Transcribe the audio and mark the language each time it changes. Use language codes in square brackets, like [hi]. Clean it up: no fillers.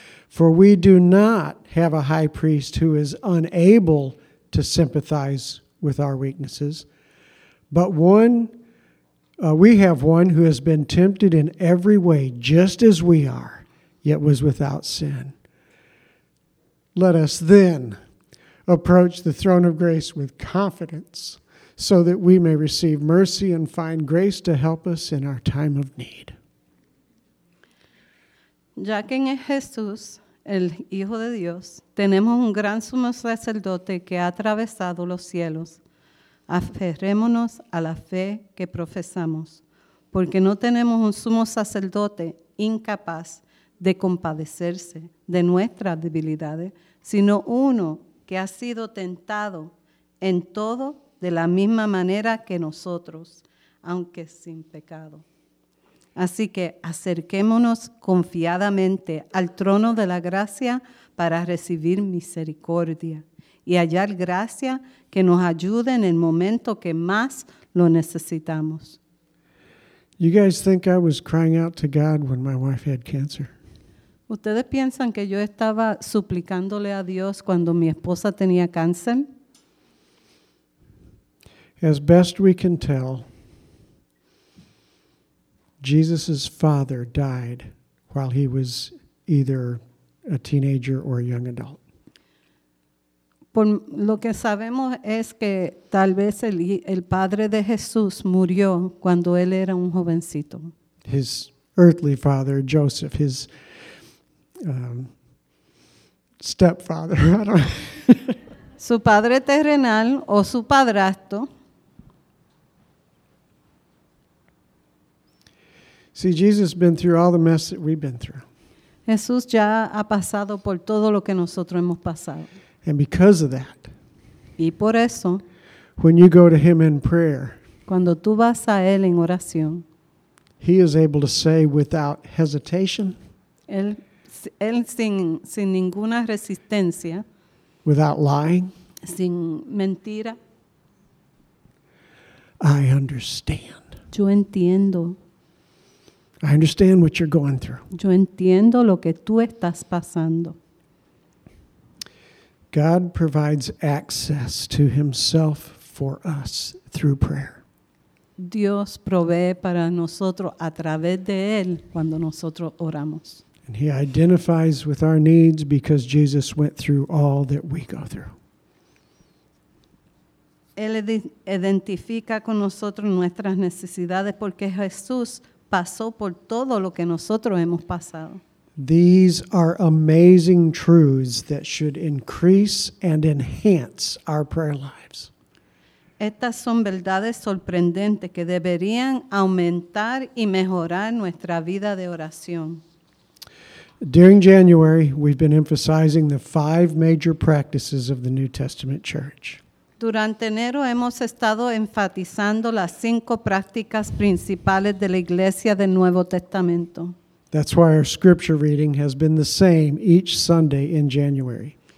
[en] For we do not have a high priest who is unable to sympathize with our weaknesses, but we have one who has been tempted in every way, just as we are, yet was without sin. Let us then approach the throne of grace with confidence so that we may receive mercy and find grace to help us in our time of need. [es] Ya que en Jesús, el Hijo de Dios, tenemos un gran sumo sacerdote que ha atravesado los cielos, aferrémonos a la fe que profesamos, porque no tenemos un sumo sacerdote incapaz de compadecerse de nuestras debilidades, sino uno que ha sido tentado en todo de la misma manera que nosotros, aunque sin pecado. Así que acerquémonos confiadamente al trono de la gracia para recibir misericordia y hallar gracia que nos ayude en el momento que más lo necesitamos. [en] You guys think I was crying out to God when my wife had cancer? [es] ¿Ustedes piensan que yo estaba suplicándole a Dios cuando mi esposa tenía cáncer? [en] As best we can tell, Jesus' father died while he was either a teenager or a young adult. [es] Por lo que sabemos es que tal vez el padre de Jesús murió cuando él era un jovencito. [en] His earthly father, Joseph, his stepfather. I don't [es] su padre terrenal o su padrastro. [en] See, Jesus has been through all the mess that we've been through. [es] Jesús ya ha pasado por todo lo que nosotros hemos pasado. [en] And because of that, [es] y por eso, [en] when you go to him in prayer, [es] cuando tú vas a él en oración, [en] he is able to say without hesitation, [es] él sin ninguna resistencia, [en] without lying, [es] sin mentira, [en] I understand. [es] Yo entiendo. [en] I understand what you're going through. [es] Yo entiendo lo que tú estás pasando. [en] God provides access to himself for us through prayer. [es] Dios provee para nosotros a través de él cuando nosotros oramos. [en] And he identifies with our needs because Jesus went through all that we go through. [es] Él identifica con nosotros nuestras necesidades porque Jesús pasó por todo lo que nosotros hemos pasado. [en] These are amazing truths that should increase and enhance our prayer lives. [es] Estas son verdades sorprendentes que deberían aumentar y mejorar nuestra vida de oración. [en] During January, we've been emphasizing the 5 major practices of the New Testament church. [es] Durante enero hemos estado enfatizando las 5 prácticas principales de la Iglesia del Nuevo Testamento. [en] That's why our scripture reading has been the same each Sunday in January.